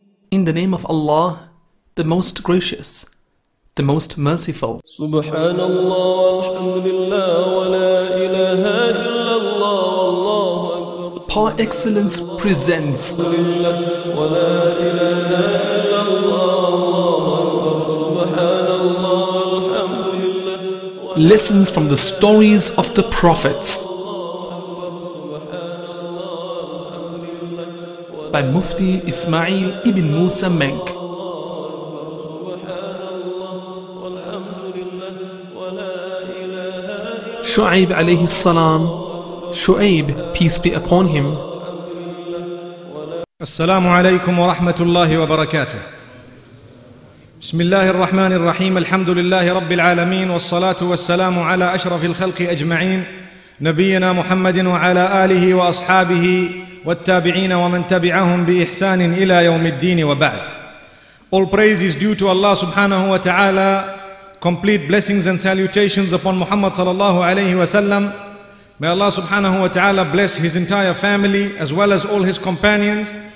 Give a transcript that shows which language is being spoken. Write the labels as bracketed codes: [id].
[en] In the name of Allah, the most gracious, the most merciful. [ar] سبحان الله والحمد لله ولا إله إلا الله والله أكبر. [en] Par excellence presents. Lessons from the stories of the prophets by Mufti Ismail ibn Musa Menk. Shu'aib alayhi salam, Shu'aib, peace be upon him. [ar] Assalamu alaykum wa rahmatullahi wa barakatuh. بسم الله الرحمن الرحيم. الحمد لله رب العالمين، والصلاة والسلام على أشرف الخلق أجمعين، نبينا محمد وعلى آله وأصحابه والتابعين ومن تبعهم بإحسان إلى يوم الدين، وبعد. [en] All praise is due to Allah سبحانه وتعالى. Complete blessings and salutations upon Muhammad صلى الله عليه وسلم. May Allah سبحانه وتعالى bless his entire family as well as all his companions.